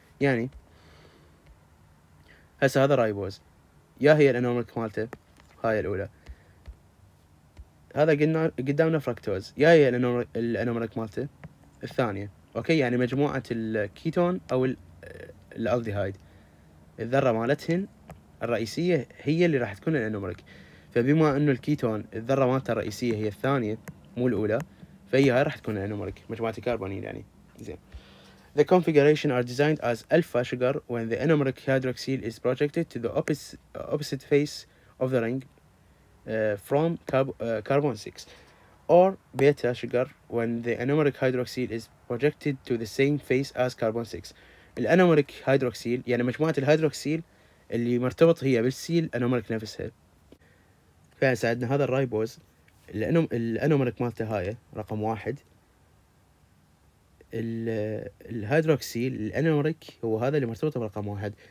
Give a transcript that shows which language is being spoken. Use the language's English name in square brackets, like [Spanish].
[Arabic] يعني هسه هذا رايبوز، يا هي الانمر مالته هاي الاولى، هذا قلنا قدامنا فركتوز، يا هي الانمر مالته الثانيه، اوكي؟ يعني مجموعه الكيتون او الالديهايد الذره مالتهن الرئيسيه هي اللي راح تكون الانمر. فبما انه الكيتون الذره مالته الرئيسيه هي الثانيه مو الاولى، فهي هاي راح تكون الانوميريك، مجموعه الكربونيل يعني. [English] زين the configuration are designed as alpha sugar when the anomeric hydroxyl is projected to the opposite face of the ring from carbon 6 or beta sugar when the anomeric hydroxyl is projected to the same face as carbon 6. [Arabic] الانوميريك هيدروكسيل يعني مجموعه الهيدروكسيل اللي مرتبط هي بالسيل انوميريك نفسها. فساعدنا هذا الرايبوز الانوميريك مالته هاي رقم واحد، الهيدروكسيل الانوميريك هو هذا اللي مرتبط برقم واحد.